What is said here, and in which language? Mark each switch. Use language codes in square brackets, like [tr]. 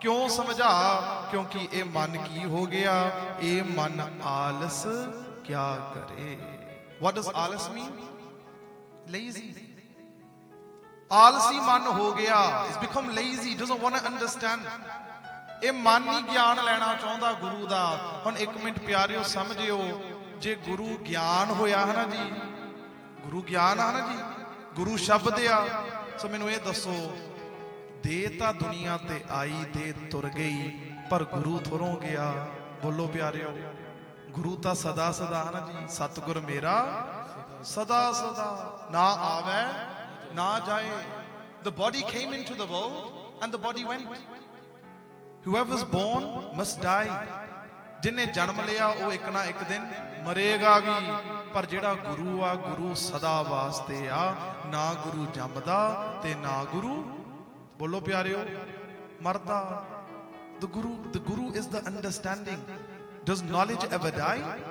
[pa] Kyon samajha? Kyonki e man ki ho gaya, e man aalas. Kya kare? [en] What does alas mean? Lazy. [pa] Alasi man ho gaya. [en] It's become lazy. Doesn't want to understand. [pa] ਇਹ ਮਾਨੀ ਗਿਆਨ ਲੈਣਾ ਚਾਹੁੰਦਾ ਗੁਰੂ ਦਾ। ਹੁਣ ਇੱਕ minute ਪਿਆਰਿਓ ਸਮਝਿਓ, ਜੇ ਗੁਰੂ ਗਿਆਨ ਹੋਇਆ ਹੈ ਨਾ ਜੀ, ਗੁਰੂ ਗਿਆਨ ਆ ਨਾ ਜੀ, ਗੁਰੂ ਸ਼ਬਦ ਆ, ਸੋ ਮੈਨੂੰ ਇਹ ਦੱਸੋ, ਦੇਹ ਤਾਂ ਦੁਨੀਆਂ ਤੇ ਆਈ ਦੇ ਤੁਰ ਗਈ, ਪਰ ਗੁਰੂ ਥੁਰੋਂ ਗਿਆ। ਬੋਲੋ ਪਿਆਰਿਓ, ਗੁਰੂ ਤਾਂ ਸਦਾ ਸਦਾ ਹੈ ਨਾ ਜੀ, ਸਤਿਗੁਰ ਮੇਰਾ ਸਦਾ ਸਦਾ, ਨਾ ਆਵੇ ਨਾ ਜਾਏ। [en] The body came into the world and the body went. Whoever is born must die. [pa] ਜਿਹਨੇ ਜਨਮ ਲਿਆ ਉਹ ਇੱਕ ਨਾ ਇੱਕ ਦਿਨ ਮਰੇਗਾ ਵੀ, ਪਰ ਜਿਹੜਾ ਗੁਰੂ ਆ, ਗੁਰੂ ਸਦਾ ਵਾਸਤੇ ਆ, ਨਾ ਗੁਰੂ ਜੰਮਦਾ ਤੇ ਨਾ ਗੁਰੂ, ਬੋਲੋ ਪਿਆਰਿਓ, ਮਰਦਾ। [en] The guru is the understanding. Does knowledge ever die?